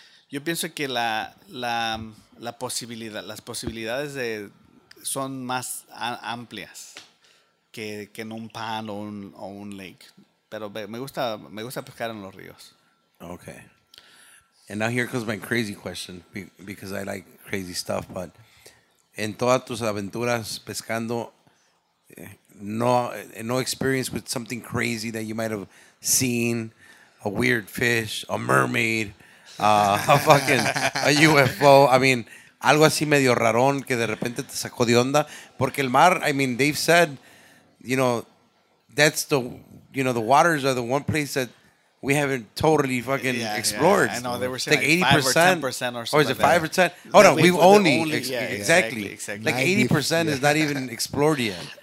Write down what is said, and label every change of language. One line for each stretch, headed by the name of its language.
Spanish: Yo pienso que la posibilidad, las posibilidades de son más amplias que en un pan o un lake. Pero me gusta pescar en los ríos.
English: Okay. And now here comes my crazy question, because I like crazy stuff, but
Spanish: en todas tus aventuras pescando,
English: no experience with something crazy that you might have seen, a weird fish, a mermaid, a fucking a UFO. I mean,
Spanish: algo así medio rarón que de repente te sacó de onda. Porque el mar,
English: I mean, they've said, you know, that's the, you know, the waters are the one place that we haven't totally fucking explored. Yeah, I know. They were saying like 80%, 5% or 10% or something. Or is it 5% or 10? Oh, no. We've only... Exactly. Like 80% is not even explored yet.